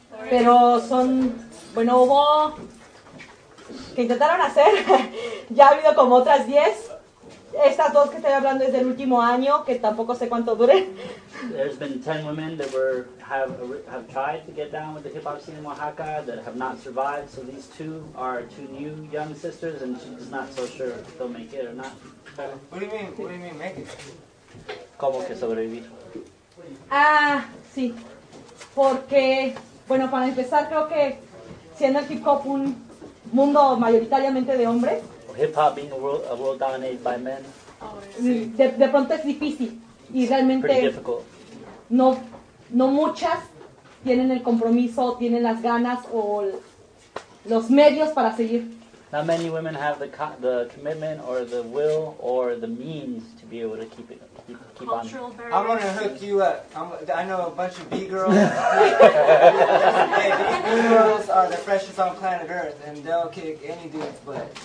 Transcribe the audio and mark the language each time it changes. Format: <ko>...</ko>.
<es>Pero son, bueno, hubo, que intentaron hacer, ya ha habido como otras 10. Estas dos que estoy hablando es del último año, que tampoco sé cuánto dure.</es> <en>There's been 10 women that were have tried to get down with the hip-hop scene in Oaxaca that have not survived. So these two are two new young sisters, and she's not so sure if they'll make it or not. What do you mean make it?</en> <es>¿Cómo que sobrevivir? Ah, sí. Porque, bueno, para empezar, creo que siendo el hip-hop un mundo mayoritariamente de hombres,</es> <en>hip-hop being a world dominated by men.</en> <es>De pronto es difícil. Y realmente no muchas tienen el compromiso, tienen las ganas o los medios para seguir.</es> <en>Not many women have the commitment or the will or the means to be able to keep on. I'm going to hook you up. I know a bunch of B-girls. Hey, B-girls are the freshest on planet Earth, and they'll kick any dude's butt.</en>